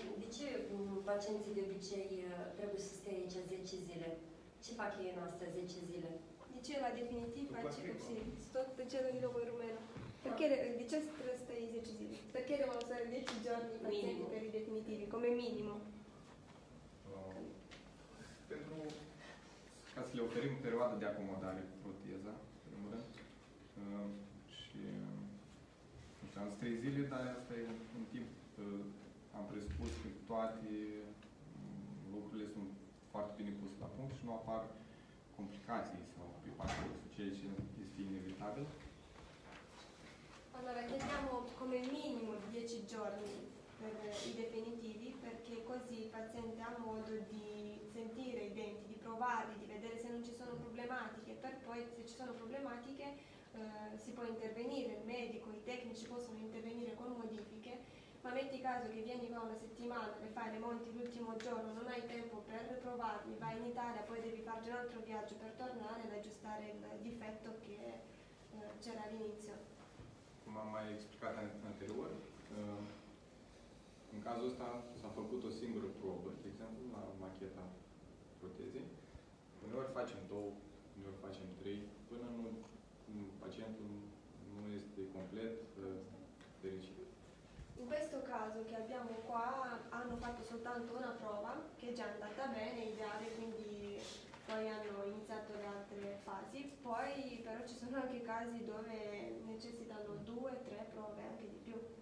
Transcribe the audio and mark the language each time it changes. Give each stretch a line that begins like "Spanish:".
Romanian: Dice pacienții de obicei trebuie să stai aici 10 zile, ce fac ei în astea 10 zile?
Italian: Diceva definitiva, tot ce lui lo vuoi rumeno. Perché dice che stai 10 giorni? Perché devono stare 10 giorni pazienti per i definitivi, come minimo?
Romanian: Pentru ca să le oferim perioada de acomodare cu proteza, în primul rând. Și nu știu, am zis 3 zile, dar asta e un timp. Am presupus că toate lucrurile sunt foarte bine puse la punct și nu apar complicații sau pe parcursul, ceea ce este inevitabil.
Italian: Allora, chiediamo come minimo 10 giorni per i definitivi, perché così il paziente ha modo di sentire i denti, di provarli, di vedere se non ci sono problematiche, per poi se ci sono problematiche si può intervenire, il medico, i tecnici possono intervenire con modifiche, ma metti caso che vieni qua una settimana per fare le monti l'ultimo giorno, non hai tempo per provarli, vai in Italia, poi devi fare un altro viaggio per tornare ad aggiustare il difetto che c'era all'inizio.
Romanian: Cum am mai explicat anterior, în cazul ăsta s-a făcut o singură probă, de exemplu, la macheta protezei. Uneori facem două, uneori facem trei, până nu, pacientul nu este complet fericit.
Italian: In questo caso che abbiamo qua, hanno fatto soltanto una prova, che è già andata bene, ideale, quindi poi hanno iniziato le altre fasi. Poi però ci sono anche casi dove necessitano due, tre prove, anche di più.